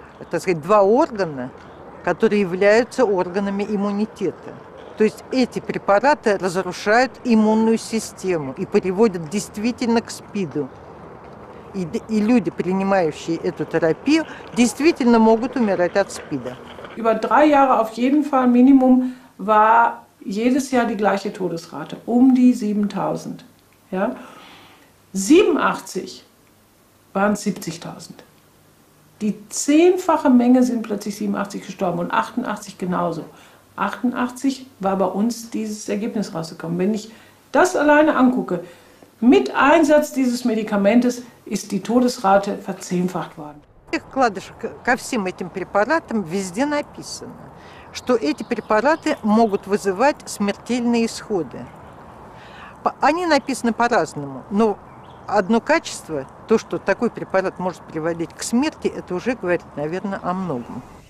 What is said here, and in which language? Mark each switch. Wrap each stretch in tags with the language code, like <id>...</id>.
<ru>так сказать, два органа, которые являются органами иммунитета. То есть эти препараты разрушают иммунную систему и приводят действительно к СПИДу. И люди, принимающие эту терапию, действительно могут умирать от СПИДа.</ru> <de>Über drei Jahre auf jeden Fall Minimum war jedes Jahr die gleiche Todesrate, die 7000. Ja? 87 waren 70.000. Die zehnfache Menge sind plötzlich 87 gestorben und 88 genauso. 88 war bei uns dieses Ergebnis rausgekommen. Wenn ich das alleine angucke, mit Einsatz dieses Medikamentes ist die Todesrate verzehnfacht worden.</de> <ru>Ко всем этим препаратам везде написано, что эти препараты могут вызывать смертельные исходы. Они написаны по-разному, но одно качество, то, что такой препарат может приводить к смерти, это уже говорит, наверное, о многом.</ru>